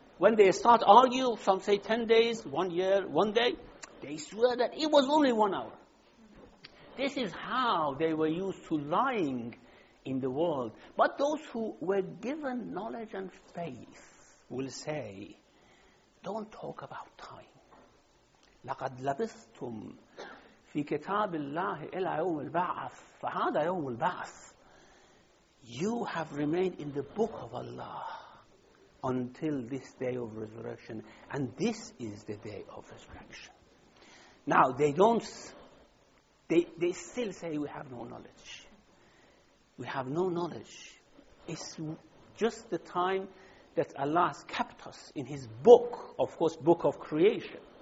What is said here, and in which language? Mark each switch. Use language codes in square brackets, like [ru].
[en] When they start argue, some say 10 days, 1 year, 1 day, they swear that it was only 1 hour. This is how they were used to lying in the world. But those who were given knowledge and faith will say, don't talk about time. [ar] لقد لبثتم في كتاب الله إلى يوم البعث فهذا يوم البعث. [en] You have remained in the book of Allah until this day of resurrection, and this is the day of resurrection. Now they don't, they still say we have no knowledge. We have no knowledge. It's just the time that Allah has kept us in His book, of course, book of creation.